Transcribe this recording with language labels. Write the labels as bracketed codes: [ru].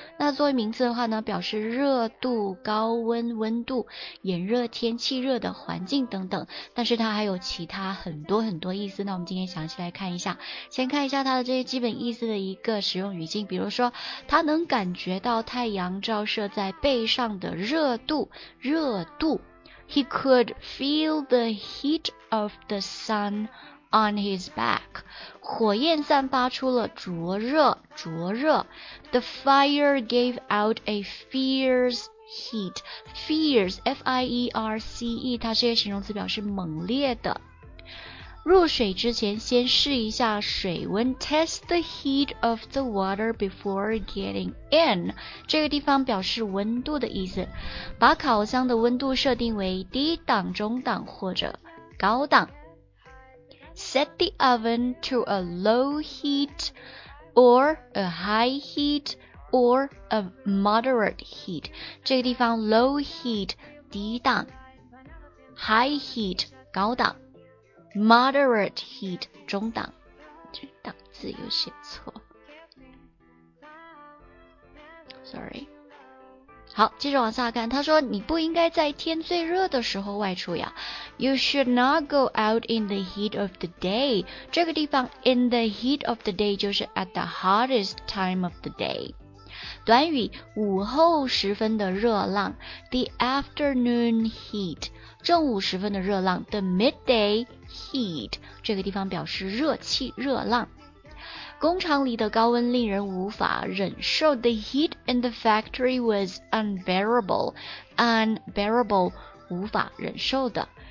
[zh] 那作为名词的话呢，表示热度、高温、温度、炎热天气、热的环境等等，但是它还有其他很多很多意思。那我们今天详细来看一下，先看一下它的这些基本意思的一个使用语境。比如说，它能感觉到太阳照射在背上的热度，热度。 [en] He could feel the heat of the sunOn his back, [zh] 火焰散发出了灼热，灼热。 [en] The fire gave out a fierce heat. [zh] Fierce, F-I-E-R-C-E, 它是一个形容词，表示猛烈的。入水之前先试一下水温， [en] test the heat of the water before getting in， [zh] 这个地方表示温度的意思。把烤箱的温度设定为低档、中档或者高档。 [en] Set the oven to a low heat or a high heat or a moderate heat. [zh] 这个地方 low heat 低档， high heat 高档， moderate heat 中档。这档字有写错， sorry。好，接着往下看，他说你不应该在天最热的时候外出呀。 [en] You should not go out in the heat of the day. 这个地方 in the heat of the day 就是 at the hottest time of the day. [zh] 短语午后时分的热浪 [en] The afternoon heat [zh] 正午时分的热浪 [en] The midday heat [zh] 这个地方表示热气热浪工厂里的高温令人无法忍受 [en] The heat in the factory was unbearable Unbearable [zh] 无法忍受的